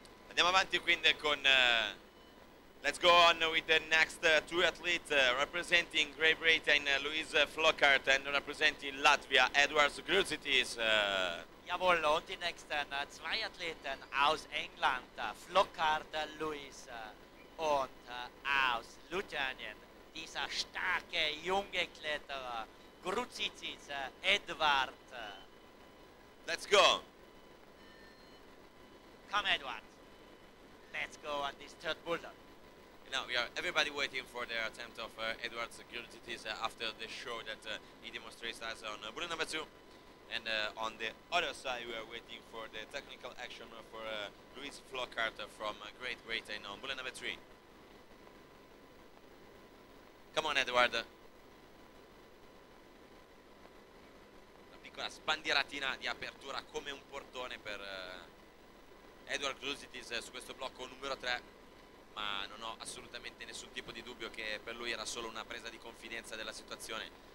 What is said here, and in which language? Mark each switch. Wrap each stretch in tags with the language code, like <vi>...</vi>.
<it>Andiamo avanti quindi con</it> <en>let's go on with the next two athletes representing Great Britain, Louise Flockhart, and representing Latvia, Edwards Grzytis.</en> <de>Jawohl, und die nächsten zwei Athleten aus England, Flockhart, Louise, und aus Lithuanien, dieser starke junge Kletterer, Grzytis, Edward.</de> <en>Let's go. Come, Edward. Let's go on this third boulder. Now we are everybody waiting for the attempt of Edward's Grzytis after the show that he demonstrates us on boulder number two. And on the other side, we are waiting for the technical action for Louise Flockhart from Great Britain on boulder number three. Come on, Edward.</en> <it>Una piccola spandieratina di apertura come un portone per Edward Grzytis su questo blocco numero 3, ma non ho assolutamente nessun tipo di dubbio che per lui era solo una presa di confidenza della situazione.</it>